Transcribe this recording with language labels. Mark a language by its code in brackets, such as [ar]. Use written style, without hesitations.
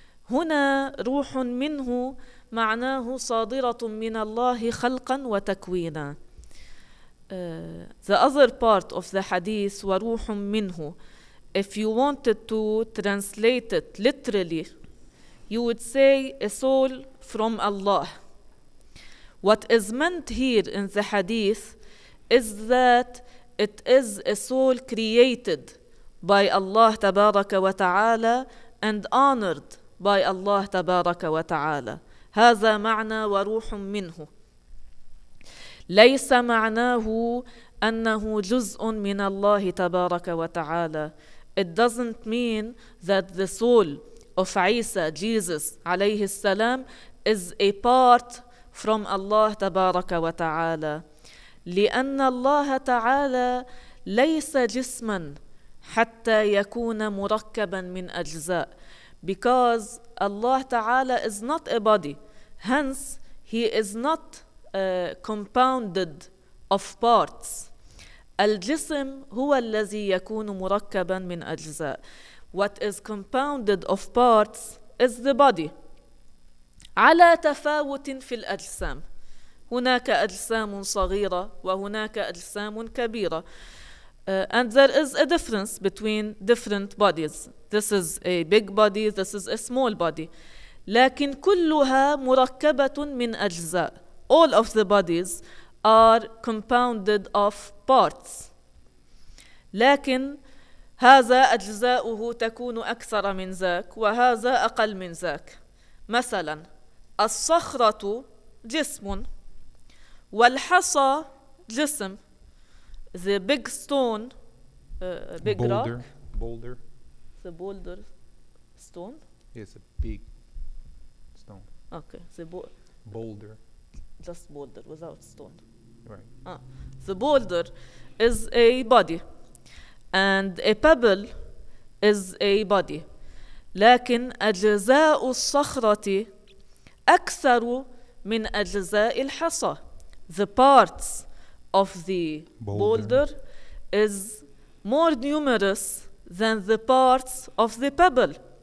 [ar] هنا روح منه معناه صادرة من الله خلقا وتكوينا. [en] The other part of the hadith [ar] وروح منه, [en] if you wanted to translate it literally you would say a soul from Allah. What is meant here in the hadith is that it is a soul created by Allah [ar] تبارك وتعالى [en] and honored by Allah تبارك وتعالى. [ar] هذا معنى وروح منه. ليس معناه أنه جزء من الله تبارك وتعالى. [en] It doesn't mean that the soul of Isa, Jesus [ar] عليه السلام, [en] is a part from Allah [ar] تبارك وتعالى. لأن الله تعالى ليس جسما حتى يكون مركبا من أجزاء. [en] Because Allah تعالى is not a body, hence he is not compounded of parts. [ar] الجسم هو الذي يكون مركبا من أجزاء. [en] What is compounded of parts is the body. [ar] على تفاوت في الأجسام. هناك أجسام صغيرة وهناك أجسام كبيرة. [en] And there is a difference between different bodies. This is a big body, this is a small body. [ar] لكن كلها مركبة من أجزاء. [en] All of the bodies are compounded of parts. [ar] لكن هذا أجزاؤه تكون أكثر من ذاك وهذا أقل من ذاك. مثلا الصخرة جسم والحصى جسم. [en] The big stone, big boulder. Rock. Boulder. The boulder stone? Yes, a big stone. Okay. The boulder. Just boulder without stone. Right. The boulder is a body. And a pebble is a body. [ar] لكن أجزاء الصخرة أكثر من أجزاء الحصى. [en] The parts of the boulder is more numerous than the parts of the pebble.